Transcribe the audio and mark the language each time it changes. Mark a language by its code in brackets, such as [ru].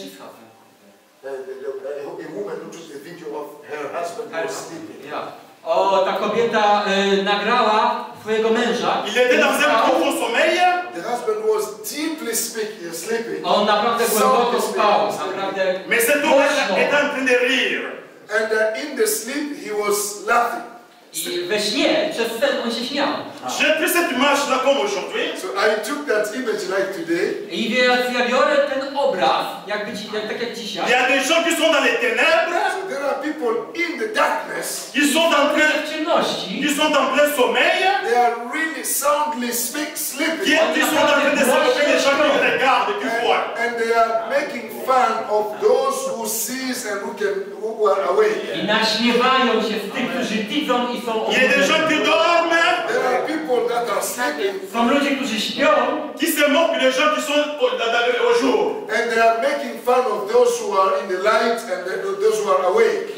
[en] A woman who took a video of her husband who was sleeping. [pl] O, ta kobieta nagrała swojego męża. [fr] Il était dans un profond sommeil. [en] The husband was deeply sleeping. [pl] On naprawdę głęboko spał, naprawdę. [fr] Mais cet homme était en train de rire. [en] And in the sleep he was laughing. [pl] I we śnie, przez sen on się śmiał. [fr] Je prends cette image là comme aujourd'hui. [en] So I took that image like today. [pl] I więc ja biorę ten obraz, jakby ci, jak tak jak dzisiaj. [fr] Il y a des gens qui sont dans les ténèbres. [en] There are people in the darkness. [fr] Ils sont en plein [pl] ciemności. [fr] Ils sont en plein sommeil. [en] They are really soundly sleeping. [fr] Et ils sont en train de s'occuper des gens qui regardent, tu vois. [en] And they are making fun of those who see and who are awake. [pl] I naśmiewają się z tych, którzy widzą i są obudzeni. [fr] Il y a des gens qui dorment. [en] There are people that are sleeping. [pl] Są ludzie, którzy śpią. [fr] Qui se moquent des gens qui sont au jour. [en] And they are making fun of those who are in the light and those who are awake.